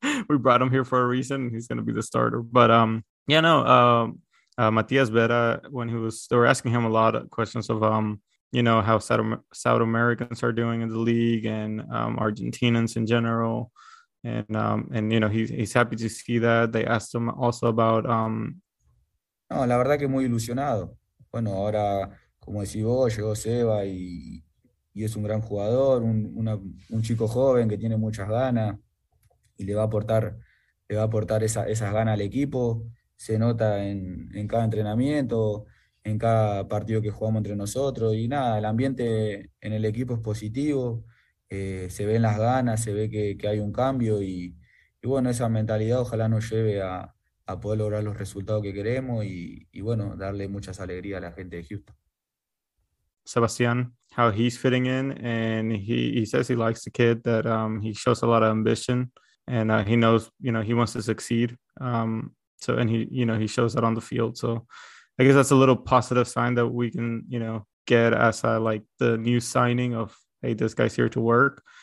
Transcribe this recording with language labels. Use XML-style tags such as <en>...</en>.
<en>We brought him here for a reason. He's going to be the starter. But Matias Vera, when they were asking him a lot of questions of, you know, how South Americans are doing in the league and Argentinians in general. And you know, he's happy to see that. They asked him also about</en> <es>No, la verdad que muy ilusionado. Bueno, ahora, como decís vos, llegó Seba y es un gran jugador, un chico joven que tiene muchas ganas y le va a aportar le va a aportar esas ganas al equipo. Se nota en cada entrenamiento, en cada partido que jugamos entre nosotros. Y nada, el ambiente en el equipo es positivo. Se ven las ganas, se ve que hay un cambio. Y bueno, esa mentalidad ojalá nos lleve a poder lograr los resultados que queremos y bueno, darle muchas alegrías a la gente de Houston.</es> <en>Sebastián, how he's fitting in, and he says he likes the kid, that he shows a lot of ambition, and he knows, you know, he wants to succeed. And he, you know, he shows that on the field. So I guess that's a little positive sign that we can, you know, get as a, like, the new signing of, hey, this guy's here to work.</en>